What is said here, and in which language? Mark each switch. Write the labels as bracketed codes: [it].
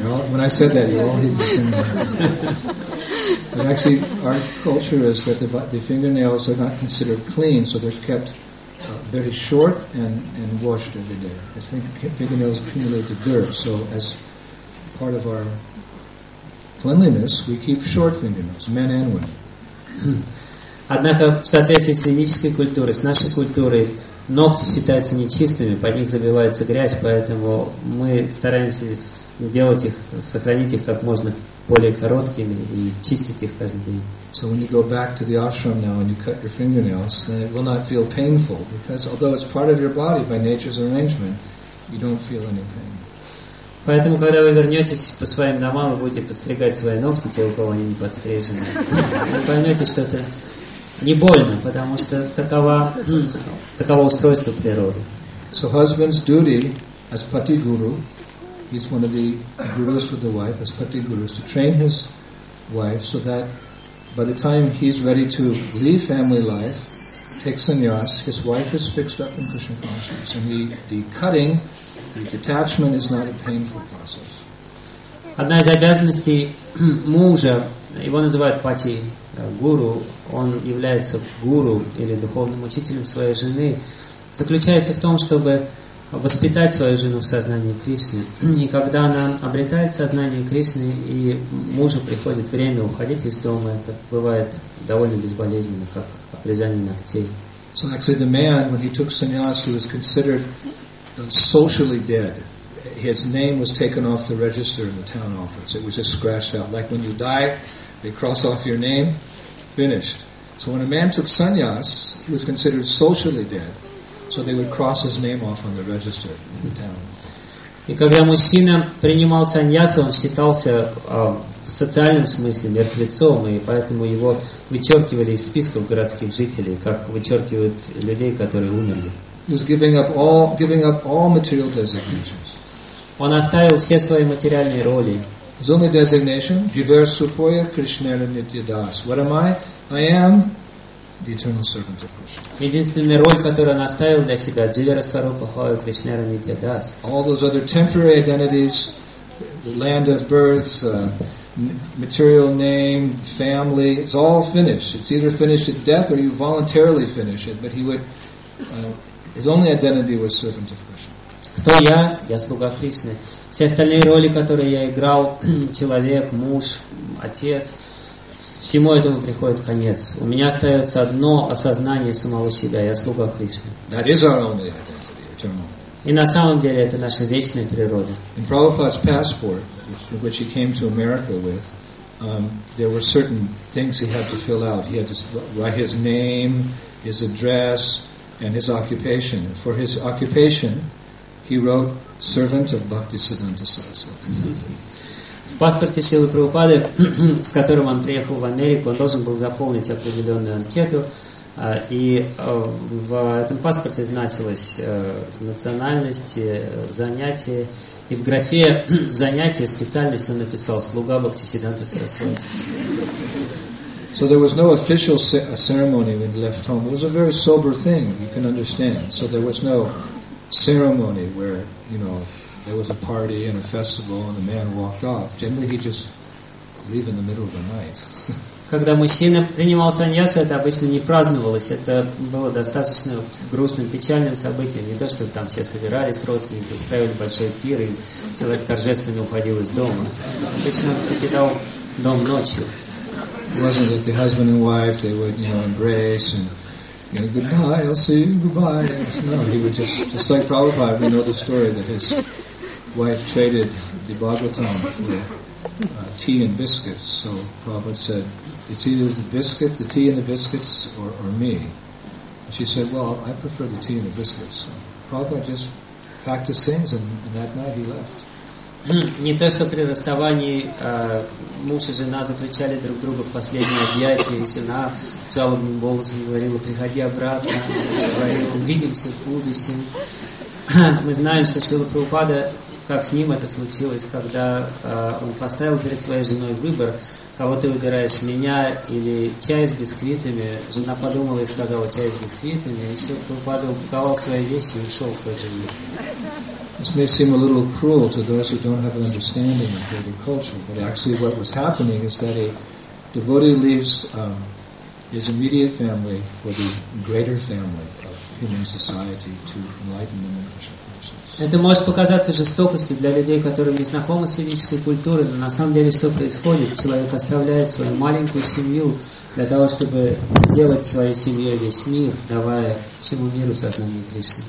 [en] When I said that, you're all hiding your fingernails. But actually, our culture is that the fingernails are not considered clean, so they're kept very short and washed every day. I think fingernails accumulate the dirt, so as part of our cleanliness, we keep short fingernails, men and women. [ru] Однако в соответствии с ведической культурой, с нашей культурой, ногти считаются нечистыми, под них забивается грязь, поэтому мы стараемся делать их, сохранить их как можно более короткими и чистить их каждый день. [en] So when you go back to the ashram now and you cut your fingernails, then it will not feel painful, because although it's part of your body by nature's arrangement, you don't feel any pain. [ru] Поэтому, когда вы вернетесь по своим домам, вы будете подстригать свои ногти, те, у кого они не подстрижены. Вы поймете, что это не больно, потому что таково устройство природы. [en] So husband's duty as pati guru, he's one of the gurus with the wife, as pati guru, is to train his wife so that by the time he's ready to leave family life, take sannyas, his wife is fixed up in Krishna consciousness, and the cutting, the detachment is not a painful process. [ru] Одна из обязанностей мужа, его называют пати гуру, он является гуру или духовным учителем своей жены, заключается в том, чтобы воспитать свою жену в сознании Кришны. И когда она обретает сознание Кришны, и мужу приходит время уходить из дома, это бывает довольно безболезненно, как обрезание ногтей. [en] So actually the man, when he took sannyas, he was considered socially dead. His name was taken off the register in the town office. It was just scratched out. Like when you die, they cross off your name, finished. So when a man took sannyas, he was considered socially dead. So they would cross his name off on the register in the town. [ru] И когда мужчина принимал саньясу, он считался в социальном смысле мертвецом, и поэтому его вычеркивали из списков городских жителей, как вычеркивают людей, которые умерли. [en] He was giving up all material designations. [ru] Он оставил все свои материальные роли. [en] His only designation: [sa] Jivar Supoya Krishna Nityadas. [en] What am I? I am the eternal servant of Krishna. [ru] Единственная роль, которую он оставил для себя, [sa] Дживера Сварупахоя Кришнера Нитьядас. [en] All those other temporary identities, the land of birth, material name, family, it's all finished. It's either finished at death or you voluntarily finish it. But he would, his only identity was servant of Krishna. [ru] Кто я? Я слуга Кришны. Все остальные роли, которые я играл, человек, муж, отец, всему этому приходит конец. У меня остается одно осознание самого себя. Я слуга Кришны. [en] That is our only identity, eternal. [ru] И на самом деле это наша вечная природа. [en] In Prabhupada's passport, which he came to America with, there were certain things he had to fill out. He had to write his name, his address, and his occupation. And for his occupation, he wrote servant of Bhaktisiddhanta Saraswati. [ru] В паспорте Шрилы Прабхупады, с которым он приехал в Америку, он должен был заполнить определенную анкету, и в этом паспорте значилась национальность, занятие, и в графе занятия специальность он написал «Слуга Бхактисиддханта Сарасвати». [en] So there was no official ceremony when he left home. It was a very sober thing, you can understand. So there was no ceremony where, you know, there was a party and a festival and the man walked off. Generally he just leave in the middle of the night. [ru] Когда мужчина принимал саньясу, это обычно не праздновалось. Это было достаточно грустным, печальным событием. Не то, что там все собирались, родственники устраивали большой пир, и человек торжественно уходил из дома. Обычно он покидал дом ночью. [en] It wasn't that the husband and wife, they would, you know, embrace and goodbye, I'll see you, goodbye. No, he would just like Prabhupada, we know the story that his wife traded the Bhagavatam for tea and biscuits. So Prabhupada said, it's either the biscuit, the tea and the biscuits, or me. And she said, well, I prefer the tea and the biscuits. So Prabhupada just packed his things and that night he left. [ru] Не то, что при расставании муж и жена заключали друг друга в последние объятия, и жена жалобным голосом говорила, приходи обратно, увидимся в будущем. Мы знаем, что Шрила Прабхупада, как с ним это случилось, когда он поставил перед своей женой выбор, кого ты выбираешь, меня или чай с бисквитами. Жена подумала и сказала, чай с бисквитами, и Шрила Прабхупада упаковал свои вещи и ушел в тот же мир. [en] This may seem a little cruel to those who don't have an understanding of Vedic culture, but actually what was happening is that a devotee leaves his immediate family for the greater family of human society to enlighten them in Krishna consciousness. [ru] Это может показаться жестокостью для людей, которые не знакомы с ведической культурой, но на самом деле что происходит? Человек оставляет свою маленькую семью для того, чтобы сделать своей семьей весь мир, давая всему миру сознание Кришны.